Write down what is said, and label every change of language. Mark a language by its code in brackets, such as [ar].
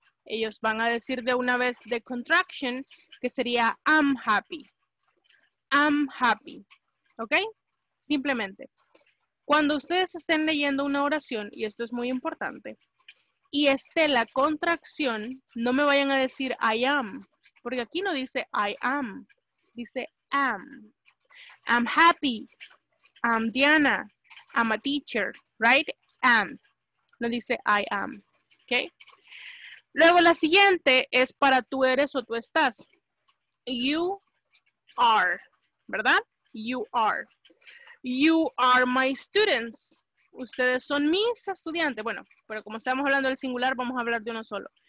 [es] Ellos van a decir de una vez [en] the contraction, [es] que sería, [en] I'm happy. I'm happy. [es] ¿Ok? Simplemente. Cuando ustedes estén leyendo una oración, y esto es muy importante, y esté la contracción, no me vayan a decir, I am. Porque aquí no dice I am, dice am. [en] I'm happy, I'm Diana, I'm a teacher, right? [es] Am. No dice I am, ¿ok? Luego la siguiente es para tú eres o tú estás. [en] You are, ¿verdad? You are. You are my students. [es] Ustedes son mis estudiantes. Bueno, pero como estamos hablando del singular, vamos a hablar de uno solo.